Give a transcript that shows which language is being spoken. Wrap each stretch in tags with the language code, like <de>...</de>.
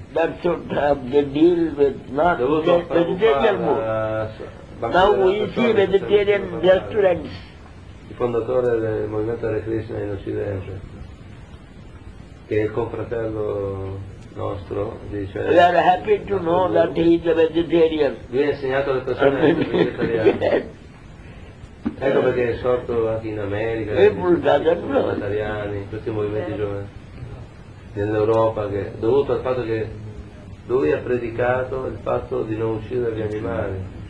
<en>that's what the deal with, not the vegetarian mode. Now we see vegetarian restaurants.</en> <it>Il fondatore del movimento Hare Krishna in Occidente, che è il confratello nostro, dice...</it> <en>We are happy to know that he is a vegetarian.</en> <it>Lui ha insegnato alle persone che sono vegetariani. Ecco perché è sorto anche in America, vegetariani, tutti i movimenti giovani. Nell'Europa, che dovuto al fatto che lui ha predicato il fatto di non uccidere gli animali.</it>